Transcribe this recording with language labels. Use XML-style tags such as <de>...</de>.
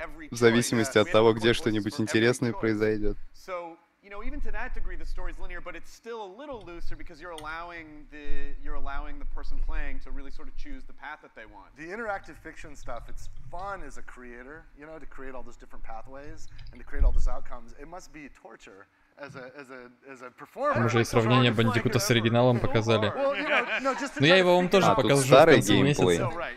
<ru>В зависимости от того, где что-нибудь интересное произойдет.</ru> <en>You know, even to that degree, the story's linear, but it's still a little looser because you're allowing the person playing to really sort of choose the path that they want. The interactive fiction stuff, it's fun as a creator, you know, to create all those different pathways and to create all those outcomes. It must be torture as a performer.</en> <ru>Мы же и сравнение Бандикута с оригиналом показали. Но я его вам тоже покажу в конце месяца.</ru>